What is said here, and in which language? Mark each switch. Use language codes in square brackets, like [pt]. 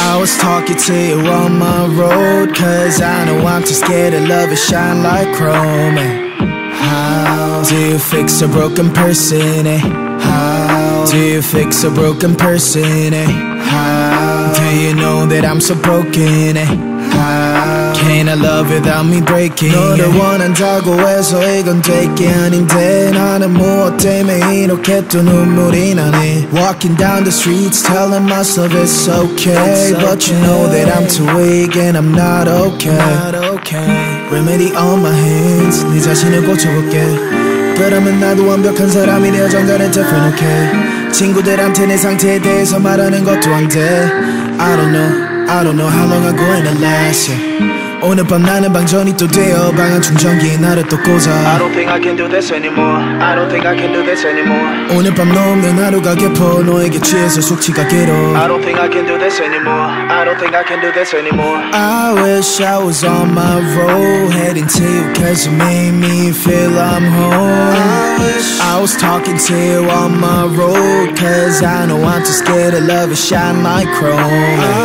[en] I was talking to you on my road cause I know I'm too scared of love and shine like chrome. Do you fix a broken person, eh? How? Do you fix a broken person, eh? How? Do you know that I'm so broken, eh? Can I love without me breaking? [ko] 너를 원한다고 해서 이건 될게 아닌데 나는 무엇 때문에 이렇게 또 눈물이 나네. [en] Walking down the streets telling myself it's okay, it's okay. But you know that I'm too weak and I'm not okay, not okay. Remedy on my hands [ko] 네 자신을 고쳐볼게. 그러면 나도 완벽한 사람이 되어 정단을 [en] different okay. [ko] 친구들한테 내 상태에 대해서 말하는 것도 안 돼. [en] I don't know how long I'm going to last, yeah. [ko] 오늘 밤 나는 방전이 또 되어 방안 충전기에 나를 또 꽂아 [en] I don't think I can do this anymore I don't think I can do this anymore [ko] 오늘 밤 넘는 하루가 깊어 너에게 취해서 숙취가 길어 [en] I don't think I can do this anymore I don't think I can do this anymore I wish I was on my road heading to you cause you made me feel I'm home I was talking to you on my road cause I know I'm too scared of love and shine my chrome